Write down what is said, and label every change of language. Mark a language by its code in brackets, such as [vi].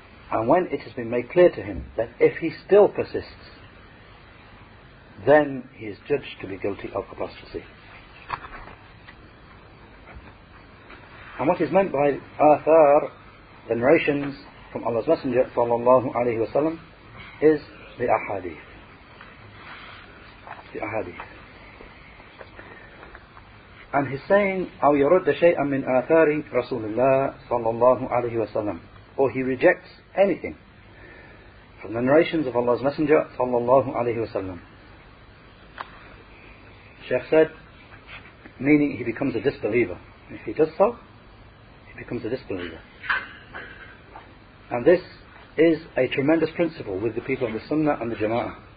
[en] And when it has been made clear to him that if he still persists, then he is judged to be guilty of apostasy. And what is meant by athar, the narrations from Allah's Messenger sallallahu alayhi wa sallam, is the ahadith. The ahadith. And he's saying, [ar] أَوْ يَرُدَّ شَيْئًا مِّنْ آثَارِ رَسُولِ اللَّهِ صَلَّى اللَّهُ عَلَيْهِ وَسَلَّمْ, [en] or he rejects anything from the narrations of Allah's Messenger [ar] صَلَّى اللَّهُ عَلَيْهِ وَسَلَّمْ. [en] Sheikh said, meaning he becomes a disbeliever. If he does so, he becomes a disbeliever. And this is a tremendous principle with the people of the Sunnah and the Jama'ah.